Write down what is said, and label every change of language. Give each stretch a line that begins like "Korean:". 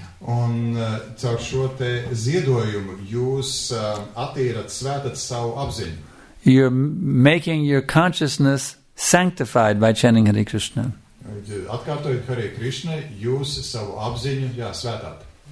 Latvian: Un caur šo te ziedojumu jūs attīrat svētat savu apziņu.
English: You're making your consciousness sanctified by chanting Hare Krishna.
Latvian: Atkārtojot Hare Krishna jūs savu apziņu jā svētat.